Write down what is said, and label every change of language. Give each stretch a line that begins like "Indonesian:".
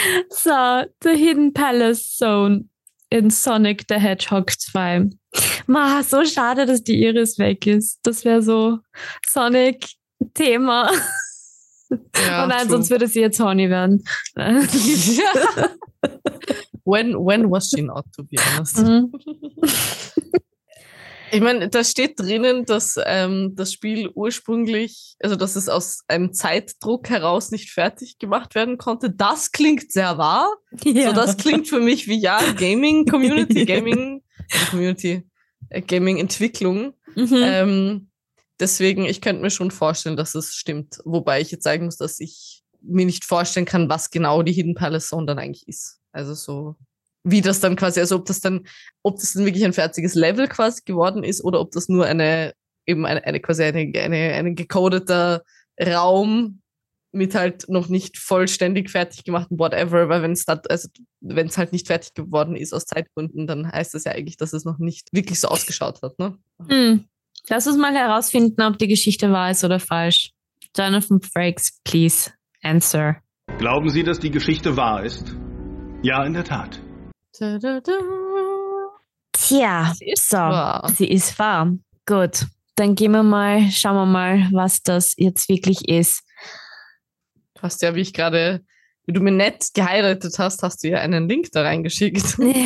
English: So, The Hidden Palace Zone in Sonic the Hedgehog 2.
German: Ma, so schade, dass die Iris weg ist. Das wäre so Sonic-Thema. Ja, oh nein, true. Sonst würde sie jetzt horny werden. Ja.
English: When was she not, to be honest?
German: Ich meine, da steht drinnen, dass das Spiel ursprünglich, also dass es aus einem Zeitdruck heraus nicht fertig gemacht werden konnte. Das klingt sehr wahr. Ja. So, das klingt für mich wie, ja, Gaming-Entwicklung. Mhm. Deswegen, ich könnte mir schon vorstellen, dass es stimmt. Wobei ich jetzt sagen muss, dass ich mir nicht vorstellen kann, was genau die Hidden Palace Zone dann eigentlich ist. Also so, wie das dann quasi, also ob das dann wirklich ein fertiges Level quasi geworden ist oder ob das nur eine gecodeter Raum mit halt noch nicht vollständig fertig gemacht und whatever, weil wenn es also wenn es halt nicht fertig geworden ist aus Zeitgründen, dann heißt das ja eigentlich, dass es noch nicht wirklich so ausgeschaut hat, ne? Hm. Lass uns mal herausfinden, ob die Geschichte wahr ist oder falsch.
English: Jonathan Frakes, please answer.
German: Glauben Sie, dass die Geschichte wahr ist? Ja, in der Tat. Ta-da-da. Tja, sie ist wahr. Gut, dann gehen wir mal, schauen wir mal, was das jetzt wirklich ist. Du hast ja, wie du mir nett geheiratet hast, hast du ja einen Link da reingeschickt.